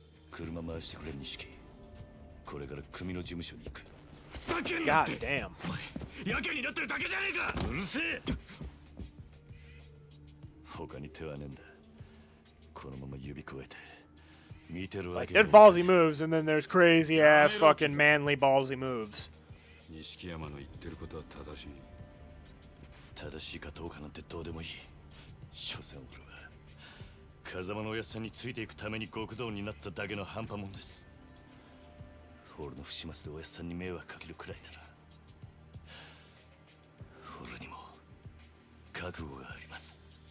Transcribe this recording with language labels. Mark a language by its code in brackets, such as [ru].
[ja] 車回してくれ、錦。これから組の事務所に行く。ふざけんなって [en] 。 God damn。 [ja] お前やけになってるだけじゃねえか。うるせえ。他に手はねえんだ。このまま指くわえて見てるわけ。 [en] Like, there's ballsy moves, and then there's crazy ass fucking manly ballsy moves. [ja] 錦山の言ってることは正しい。正しいかどうかなんてどうでもいい。所詮俺は風間のおやっさんについていくために極道になっただけの半端もんです。俺の不始末でおやっさんに迷惑かけるくらいなら俺にも覚悟があります。